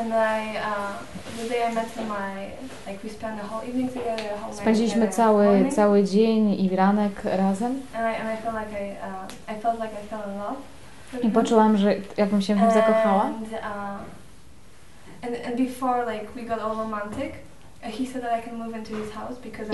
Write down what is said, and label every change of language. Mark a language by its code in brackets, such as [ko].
[en] And I, the day I met him, I, like, we spent the whole evening together, the whole [pl] spędziliśmy [en] night together, [pl] cały dzień i ranek razem. [en] And I felt like I felt like I fell in love. [pl] I poczułam, że jakbym się w nim zakochała. [en] And before, like, we got all romantic, he said that I can move into his house because